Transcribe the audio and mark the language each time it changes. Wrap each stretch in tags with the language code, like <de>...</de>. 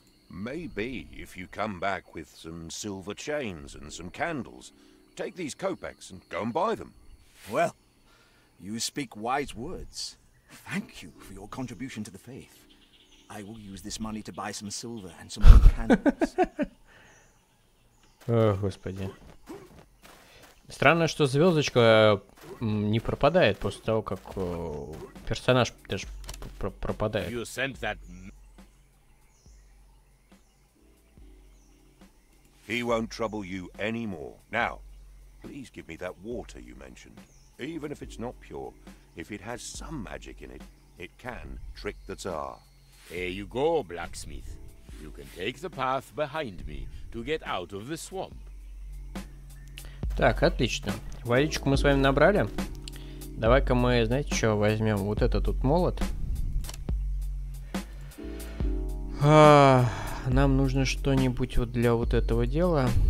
<en>Maybe if you come back with some silver chains and some candles, take these kopecks and go and buy them. Well, you speak wise words. Thank you for your contribution to the faith. I will use this money to buy some silver and some more candles.</en> <ru>О, господи. Странно, что звездочка не пропадает после того, как персонаж даже пропадает.</ru> <en>You sent that... He won't trouble you anymore. Now, please give me that water you mentioned. Even if it's not pure, if it has some magic in it, it can trick the Tsar. Here you go, blacksmith. You can take the path behind me to get out of the swamp.</en> <ru>Так, отлично. Водичку мы с вами набрали. Давай-ка мы, знаете что, возьмем вот этот тут молот. Нам нужно что-нибудь вот для вот этого дела.</ru>